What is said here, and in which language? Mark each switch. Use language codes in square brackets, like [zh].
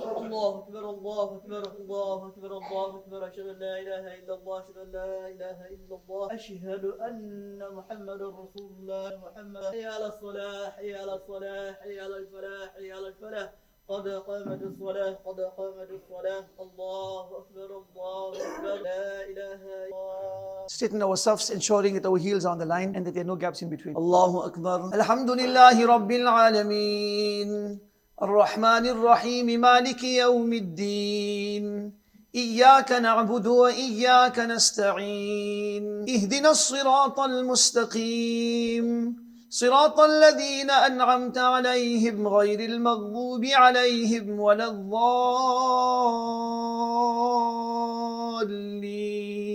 [ar] الله أكبر الله أكبر الله أكبر الله أكبر أشهد أن لا إله إلا الله أشهد أن لا إله إلا الله أشهد أن محمد رسول الله محمد حي على الصلاة حي على الصلاة حي على الفلاح حي على الفلاح قد قامت الصلاة قد قامت الصلاة الله أكبر الله أكبر لا إله إلا الله. [en] Sitting ourselves, ensuring that our heels are on the line and that there are no gaps in between. [ar] Allahu Akbar. Alhamdulillahi Rabbil Alameen. الرحمن الرحيم مالك يوم الدين إياك نعبد وإياك نستعين اهدنا الصراط المستقيم صراط الذين أنعمت عليهم غير المغضوب عليهم ولا الضالين